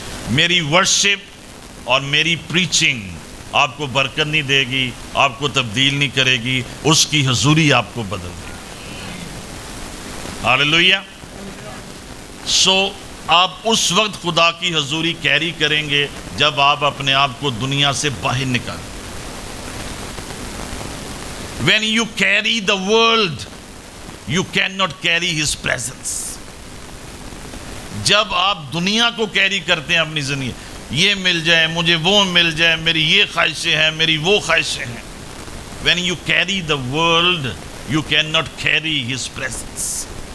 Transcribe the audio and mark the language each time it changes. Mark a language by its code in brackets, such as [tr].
[ur] میری ورشپ اور میری پریچنگ آپ کو برکت نہیں دے گی, آپ کو تبدیل نہیں کرے گی, اس کی حضوری آپ کو بدل دے گی. ہالیلویہ. سو آپ اس وقت خدا کی حضوری کیری کریں گے جب آپ اپنے آپ کو دنیا سے باہر نکالیں. [en] When you carry the world, you cannot carry his presence. [ur] جب آپ دنیا کو کیری کرتے ہیں اپنی زندگی, یہ مل جائے مجھے, وہ مل جائے, میری یہ خواہشیں ہیں, میری وہ خواہشیں ہیں, [en] When you carry the world, you cannot carry his presence.